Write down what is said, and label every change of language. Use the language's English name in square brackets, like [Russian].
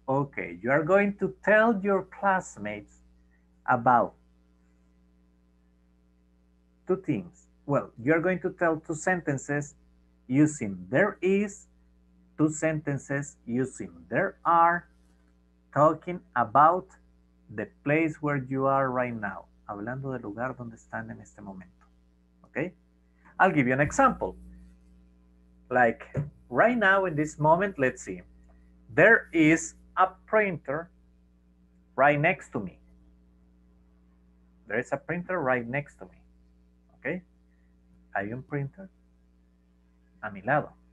[English] Okay, you are going to tell your classmates about two things. Well, you are going to tell two sentences using there is, two sentences using there are, talking about the place where you are right now. [Spanish] Hablando del lugar donde están en este momento. [English] Okay? I'll give you an example. Like, right now, in this moment, let's see. There is a printer right next to me. There is a printer right next to me. [Spanish] Okay? Hay un printer a mi lado.